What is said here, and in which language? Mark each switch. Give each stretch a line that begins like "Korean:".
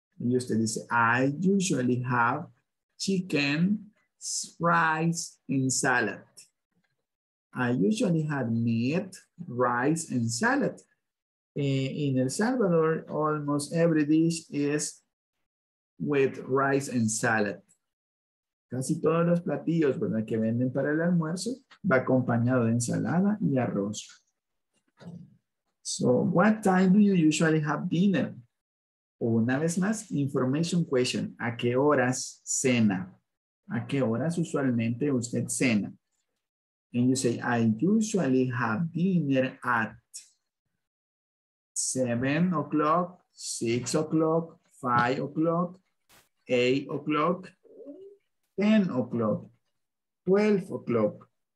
Spanish: Y usted dice,
English: I usually have chicken, fries, and salad. I usually have meat, rice, and salad. In El Salvador, almost every dish is with rice and salad.
Spanish: Casi todos los platillos, ¿verdad?, que venden para el almuerzo, va acompañado de ensalada y arroz.
English: So, what time do you usually have dinner?
Spanish: Una vez más,
English: information question.
Spanish: ¿A qué horas cena? ¿A qué horas usualmente usted cena?
English: And you say, I usually have dinner at 7 o'clock, 6 o'clock, 5 o'clock, 8 o'clock, 10 o'clock, 12 o'clock.